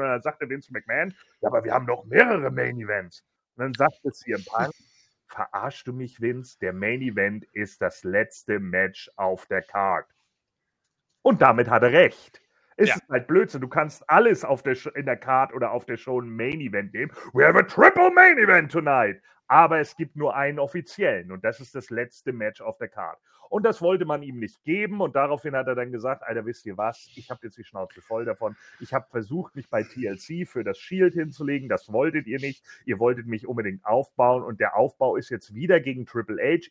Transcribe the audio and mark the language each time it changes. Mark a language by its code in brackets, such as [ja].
[de] Und dann sagte Vince McMahon, ja, aber wir haben doch mehrere Main Events. Und dann sagte CM Punk, verarschst du mich, Vince? Der Main Event ist das letzte Match auf der Card. Und damit hat er recht. Es ist halt Blödsinn. Du kannst alles in der Card oder auf der Show ein Main Event nehmen. [en] We have a triple Main Event tonight. [de] Aber es gibt nur einen offiziellen und das ist das letzte Match auf der Card. Und das wollte man ihm nicht geben und daraufhin hat er dann gesagt, Alter, wisst ihr was, ich habe jetzt die Schnauze voll davon. Ich habe versucht, mich bei TLC für das Shield hinzulegen, das wolltet ihr nicht. Ihr wolltet mich unbedingt aufbauen und der Aufbau ist jetzt wieder gegen Triple H.